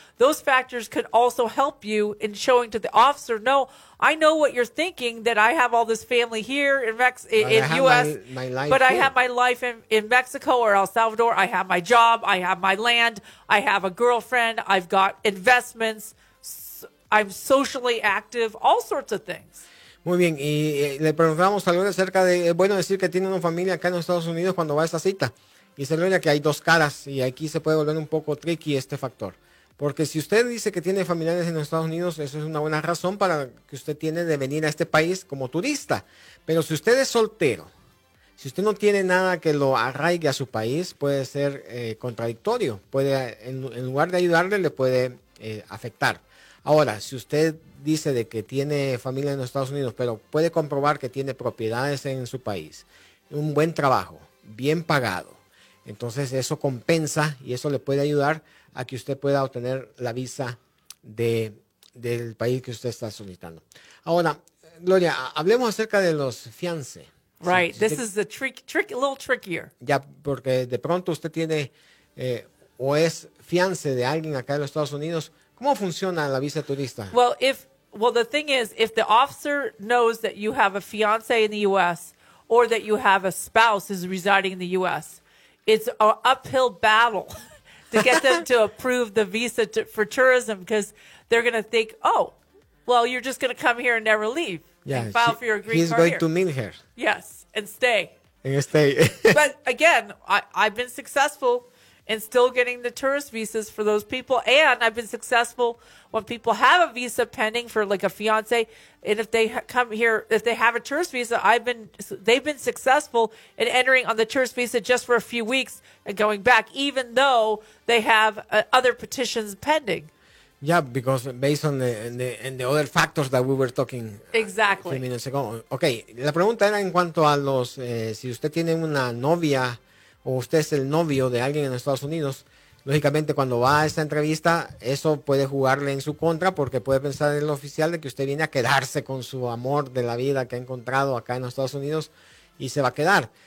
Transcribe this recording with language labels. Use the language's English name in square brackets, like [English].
[English] Those factors could also help you in showing to the officer, no, I know what you're thinking, that I have all this family here in the U.S., but I have my life in Mexico or El Salvador. I have my job. I have my land. I have a girlfriend. I've got investments. I'm socially active, all sorts of things. [Spanish] Muy bien, y le preguntamos a Gloria acerca de, es bueno decir que tiene una familia acá en los Estados Unidos cuando va a esta cita. Y dice Gloria que hay dos caras y aquí se puede volver un poco tricky este factor. Porque si usted dice que tiene familiares en los Estados Unidos, eso es una buena razón para que usted tiene de venir a este país como turista. Pero si usted es soltero, si usted no tiene nada que lo arraigue a su país, puede ser contradictorio. Puede, en lugar de ayudarle, le puede afectar. Ahora, si usted dice de que tiene familia en los Estados Unidos, pero puede comprobar que tiene propiedades en su país, un buen trabajo, bien pagado, entonces eso compensa y eso le puede ayudar a que usted pueda obtener la visa del país que usted está solicitando. Ahora, Gloria, hablemos acerca de los fiancé. [English] Right, si, this is a little trickier. [Spanish] Ya, porque de pronto usted tiene o es fiancé de alguien acá en los Estados Unidos. ¿Cómo funciona la visa turista? [English] Well, the thing is, if the officer knows that you have a fiance in the U.S. or that you have a spouse who's residing in the U.S., it's an uphill battle to get them to approve the visa for tourism because they're going to think, oh, well, you're just going to come here and never leave. Yeah, and file for your green card. He's going here. To meet her. Yes, and stay. And stay. But again, I've been successful. And still getting the tourist visas for those people. And I've been successful when people have a visa pending for like a fiance. And if they come here, if they have a tourist visa, they've been successful in entering on the tourist visa just for a few weeks and going back, even though they have other petitions pending. Yeah, because based on the other factors that we were talking. Exactly. A few minutes ago. [Spanish] Okay, la pregunta era en cuanto a los, si usted tiene una novia, o usted es el novio de alguien en Estados Unidos, lógicamente cuando va a esa entrevista, eso puede jugarle en su contra porque puede pensar el oficial de que usted viene a quedarse con su amor de la vida que ha encontrado acá en Estados Unidos y se va a quedar.